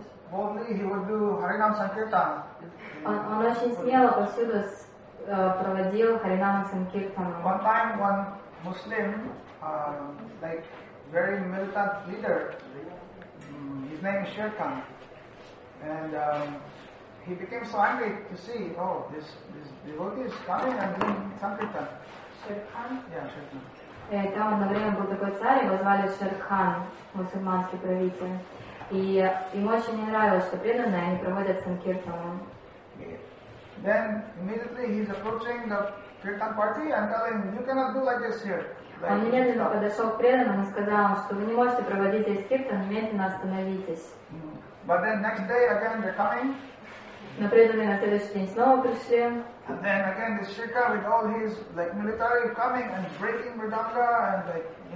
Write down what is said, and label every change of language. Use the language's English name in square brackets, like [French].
[English] Boldly he would do Харинам Санкиртан. [Russian] Он очень смело повсюду проводил Харинам Санкиртан. [English] One time one Muslim, like very militant leader, his name is Shirkan, and he became so angry to see, oh, this devotee is coming and doing Sankirtan. [Russian] Шерхан. Yeah, там одно время был такой царь, его звали Шерхан, мусульманский правитель. И ему очень не нравилось, что преданные они проводят санкиртану. [English] Then immediately he's approaching the Kirtan party and telling him, you cannot do like this here. [Russian] Он немедленно подошел к преданным и сказал, что вы не можете проводить здесь киртан, немедленно остановитесь. [English] But then next day again they're coming. [Russian] Но преданные на следующий день снова пришли. [English] And then again, this Shirka with all his like military coming and breaking Vridanga and like